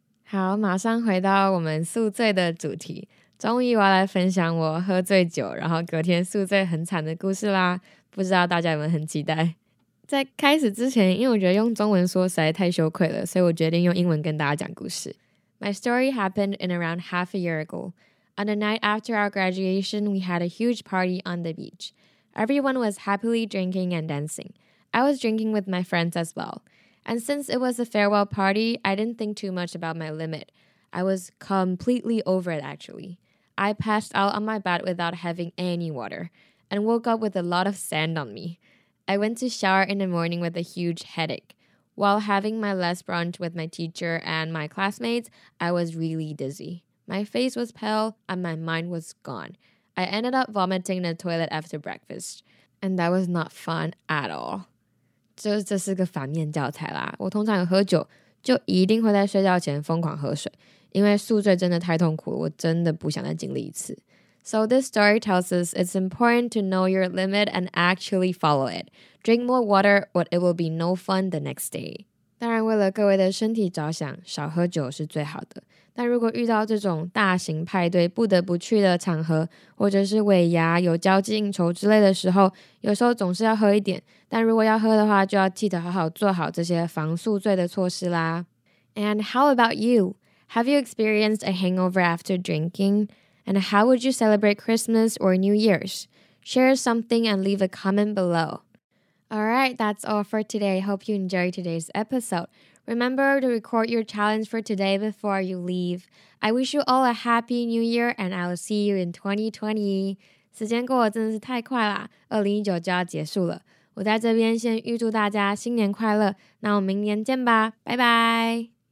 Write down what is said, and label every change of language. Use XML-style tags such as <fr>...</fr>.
<zh>好，马上回到我们宿醉的主题，终于我要来分享我喝醉酒然后隔天宿醉很惨的故事啦，不知道大家有没有很期待。在开始之前，因为我觉得用中文说实在太羞愧了，所以我决定用英文跟大家讲故事。</zh> <en>My story happened in around half a year ago. On the night after our graduation, we had a huge party on the beach. Everyone was happily drinking and dancingI was drinking with my friends as well. And since it was a farewell party, I didn't think too much about my limit. I was completely over it, actually. I passed out on my bed without having any water and woke up with a lot of sand on me. I went to shower in the morning with a huge headache. While having my last brunch with my teacher and my classmates, I was really dizzy. My face was pale and my mind was gone. I ended up vomiting in the toilet after breakfast. And that was not fun at all.</en> <zh>就是这是个反面教材啦，我通常有喝酒就一定会在睡觉前疯狂喝水，因为宿醉真的太痛苦了，我真的不想再经历一次。</zh> <en>So this story tells us it's important to know your limit and actually follow it. Drink more water or it will be no fun the next day.</en> <zh>当然为了各位的身体着想，少喝酒是最好的，但如果遇到这种大型派对不得不去的场合，或者是尾牙有交际应酬之类的时候，有时候总是要喝一点，但如果要喝的话就要记得好好做好这些防宿醉的措施啦。</zh> <en>And how about you? Have you experienced a hangover after drinking? And how would you celebrate Christmas or New Year's? Share something and leave a comment below. Alright, that's all for today. Hope you enjoyed today's episode. Remember to record your challenge for today before you leave. I wish you all a happy new year and I will see you in 2020.</en> <zh>时间过得真的是太快啦，2019就要结束了。我在这边先预祝大家新年快乐，那我们明年见吧，拜拜。</zh>